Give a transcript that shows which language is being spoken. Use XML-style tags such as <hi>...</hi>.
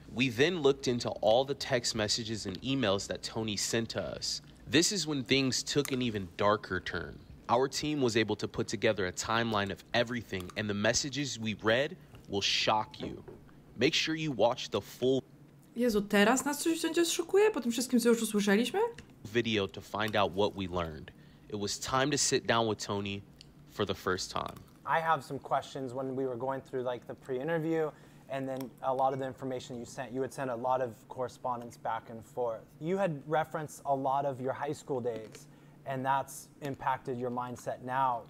<en>We then looked into all the text messages and emails that Tony sent to us. This is when things took an even darker turn. Our team was able to put together a timeline of everything, and the messages we read will shock you. Make sure you watch the full</en> <pl>Jezu, teraz nas coś będzie zszokuje po tym wszystkim, co już usłyszeliśmy?</pl> <en>Video to find out what we learned. It was time to sit down with Tony for the first time. I have some questions when we were going through like the pre-interview, and then a lot of the information you sent, you would send a lot of correspondence back and forth. You had referenced a lot of your high school days, and that's impacted your mindset now.</en>